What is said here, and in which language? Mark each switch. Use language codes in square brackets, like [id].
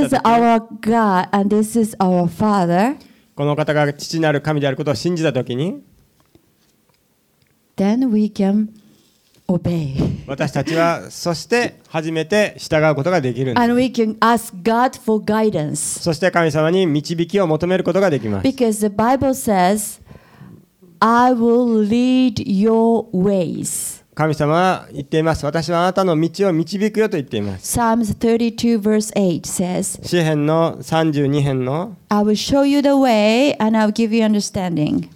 [en] This is our God and this is our Father. [ja] この方が父なる神であることを信じたときに [en] Then we can obey. [ja] 私たちはそして初めて従うことができるんです [en] And we can ask God for guidance. [ja] そして神様に導きを求めることができます [en] Because the Bible says, I will lead your ways. [ja] 神様は言っています私はあなたの道を導くよと言っています [en] Psalms 32 verse 8 says [ja] 詩編の32編の [en] I will show you the way and I will give you understanding.